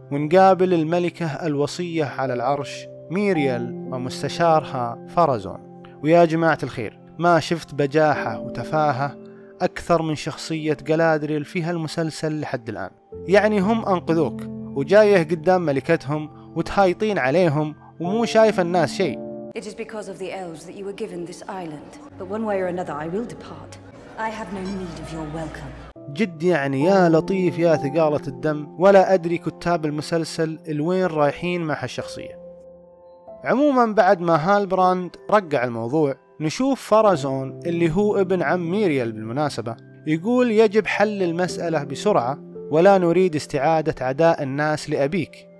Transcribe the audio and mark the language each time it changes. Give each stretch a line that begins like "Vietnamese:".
Arabic: ونقابل الملكة الوصية على العرش ميريال ومستشارها فارازون. ويا جماعة الخير، ما شفت بجاحة وتفاهة أكثر من شخصية غلادريل في هالمسلسل لحد الآن. يعني هم أنقذوك وجايه قدام ملكتهم وتهايطين عليهم ومو شايف الناس شيء.
English: It is because of the elves that you were given this island. But one way or another I will depart. I have no need of your welcome.
Arabic: جد يعني يا لطيف يا ثقالة الدم، ولا أدري كتاب المسلسل الوين رايحين مع هالشخصية. عموما بعد ما هالبراند رقع الموضوع، نشوف فارازون اللي هو ابن عم ميريال بالمناسبة، يقول يجب حل المسألة بسرعة ولا نريد استعادة عداء الناس لأبيك.